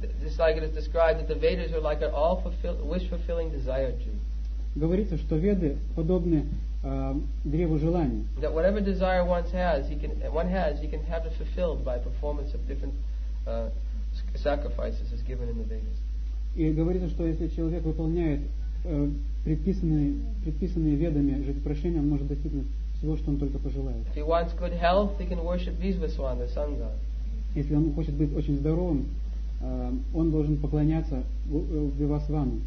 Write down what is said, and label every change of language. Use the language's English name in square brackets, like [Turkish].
[English] Just like it is described that the Vedas are like an all wish-fulfilling desire tree. [Russian] Говорится, что Веды подобны древу желаний. [English] That whatever desire one has, he can have it fulfilled by performance of different sacrifices as given in the Vedas. [Russian] И говорится, что если человек выполняет предписанные ведами жертвоприношения, он может достигнуть всего, что он только пожелает. [English] If he wants good health, he can worship Visvasvan, the sun god. [Russian] Если он хочет быть очень здоровым, он должен поклоняться Visvasvanu.